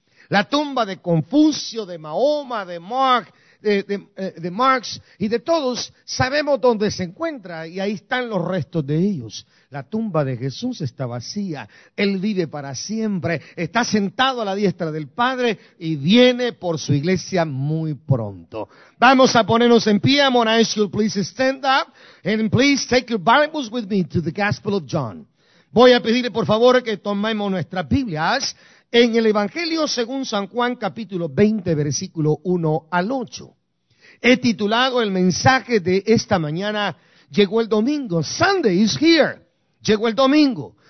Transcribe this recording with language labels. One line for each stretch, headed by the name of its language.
Spanish: La tumba de Confucio, de Mahoma, de Marx, de Marx y de todos, sabemos dónde se encuentra y ahí están los restos de ellos. La tumba de Jesús está vacía, Él vive para siempre, está sentado a la diestra del Padre y viene por su iglesia muy pronto. Vamos a ponernos en pie.
English: I'm going to ask you, please stand up and please take your Bibles with me to the Gospel of John.
Spanish: Voy a pedirle por favor que tomemos nuestras Biblias en el Evangelio según San Juan, capítulo 20, versículo 1 al 8. He titulado el mensaje de esta mañana, llegó el domingo,
English: Sunday is here,
Spanish: llegó el domingo.